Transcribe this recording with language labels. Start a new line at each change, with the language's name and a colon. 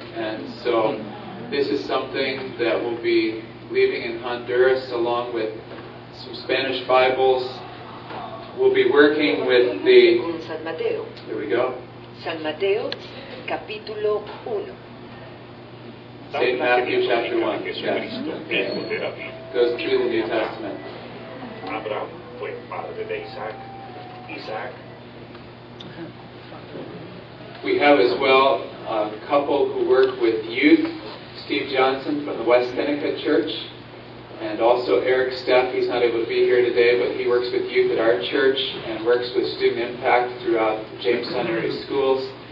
English: And so this is something that we'll be leaving in Honduras along with some Spanish Bibles. We'll be working with the... San Mateo. There we go.
Spanish: San Mateo, capítulo 1.
English: St. Matthew, chapter 1. Yes. Mm-hmm. Goes through the New Testament.
Spanish: Abraham fue padre de Isaac. Isaac.
English: We have as well a couple who work with youth. Steve Johnson from the West Seneca Church. And also Eric Steff, he's not able to be here today, but he works with youth at our church and works with student impact throughout James Seminary schools.